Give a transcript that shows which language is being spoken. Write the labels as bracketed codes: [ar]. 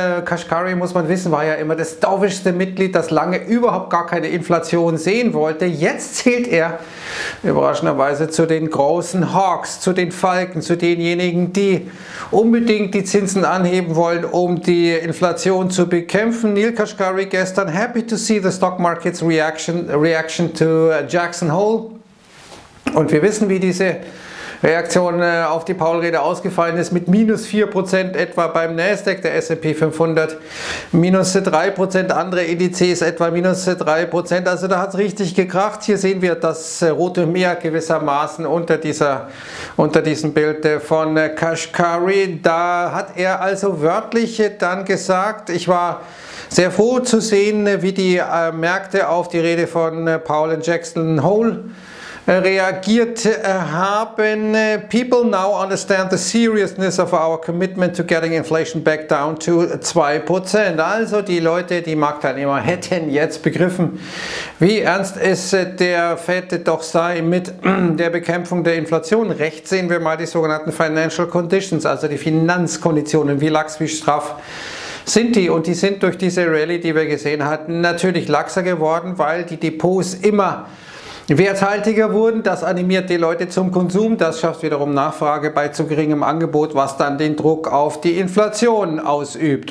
[de] Kashkari, muss man wissen, war ja immer das dovischste Mitglied, das lange überhaupt gar keine Inflation sehen wollte. Jetzt zählt er überraschenderweise zu den großen Hawks, zu den Falken, zu denjenigen, die unbedingt die Zinsen anheben wollen, um die Inflation zu bekämpfen. [en] Neil Kashkari [de] gestern, [en] happy to see the stock market's reaction to Jackson Hole. [de] Und wir wissen, wie diese Reaktion auf die Powell-Rede ausgefallen ist, mit minus 4% etwa beim Nasdaq, der S&P 500, minus 3%, andere Indizes etwa minus 3%. Also da hat es richtig gekracht. Hier sehen wir das Rote Meer gewissermaßen unter diesem Bild von Kashkari. Da hat er also wörtlich dann gesagt, ich war sehr froh zu sehen, wie die Märkte auf die Rede von Powell und Jackson Hole reagiert haben. [en] People now understand the seriousness of our commitment to getting inflation back down to 2%. [de] Also die Leute, die Marktteilnehmer hätten jetzt begriffen, wie ernst es der Fed doch sei mit der Bekämpfung der Inflation. Rechts sehen wir mal die sogenannten Financial Conditions, also die Finanzkonditionen, wie lax, wie straff sind die. Und die sind durch diese Rallye, die wir gesehen hatten, natürlich laxer geworden, weil die Depots immer werthaltiger wurden, das animiert die Leute zum Konsum, das schafft wiederum Nachfrage bei zu geringem Angebot, was dann den Druck auf die Inflation ausübt.